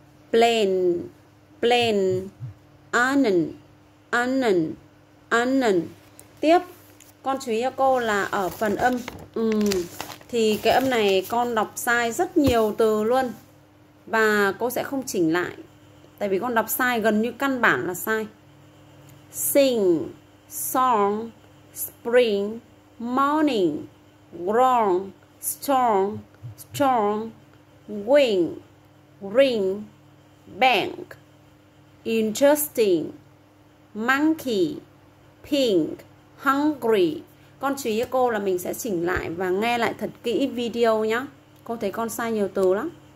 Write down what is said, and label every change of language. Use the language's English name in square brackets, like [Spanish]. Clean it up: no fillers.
[English] Plain, plain. Onion, onion, onion. [Vietnamese] Tiếp, con chú ý cho cô là ở phần âm thì cái âm này con đọc sai rất nhiều từ luôn, và cô sẽ không chỉnh lại tại vì con đọc sai gần như căn bản là sai. [English] Sing, song, spring, morning, wrong, strong, strong, wing, ring, bank, interesting, monkey, pink, hungry. [Vietnamese] Con chú ý cho cô là mình sẽ chỉnh lại và nghe lại thật kỹ video nhé. Cô thấy con sai nhiều từ lắm.